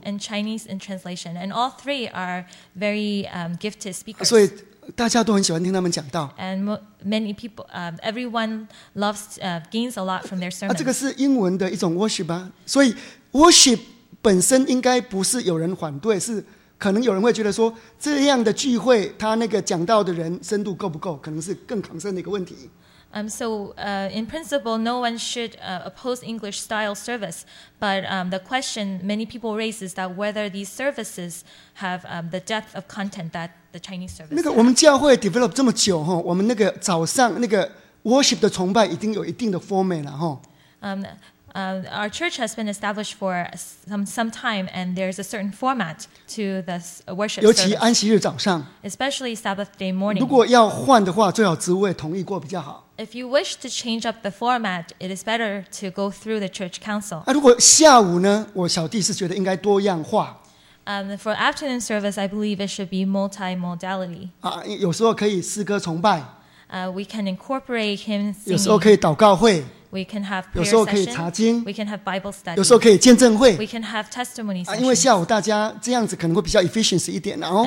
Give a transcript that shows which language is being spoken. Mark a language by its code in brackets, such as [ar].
[en] And Chinese in translation, and all three are very gifted speakers. [zh] 啊, 所以大家都很喜欢听他们讲道。 [en] And many people, everyone loves, gains a lot from their sermons. [zh] 啊, 这个是英文的一种worship啊, 所以worship本身应该不是有人反对, 是 可能有人会觉得说，这样的聚会，他那个讲道的人深度够不够？可能是更concern的一个问题。 [en] In principle, no one should oppose English style service. But the question many people raise is that whether these services have the depth of content that the Chinese service. [zh] 那个我们教会 develop 这么久，我们那个早上那个 worship 的崇拜已经有一定的 format 了，哈。 [en] Our church has been established for some time, and there's a certain format to the worship. [zh] 尤其安息日早上, [en] especially Sabbath day morning. [zh] 如果要换的话, 最好职位同意过比较好。 [en] If you wish to change up the format, it is better to go through the church council. [zh] 如果下午呢, 我小弟是觉得应该多样化。 [en] For afternoon service, I believe it should be multimodality. [zh] 有时候可以诗歌崇拜。 [en] We can incorporate hymn singing. [zh] 有时候可以祷告会。 [en] We can have prayer session. [zh] 有时候可以查经, [en] we can have Bible study. [zh] 有时候可以见证会, [en] we can have testimony sessions. [zh] 因为下午大家这样子可能会比较efficient一点, 然后,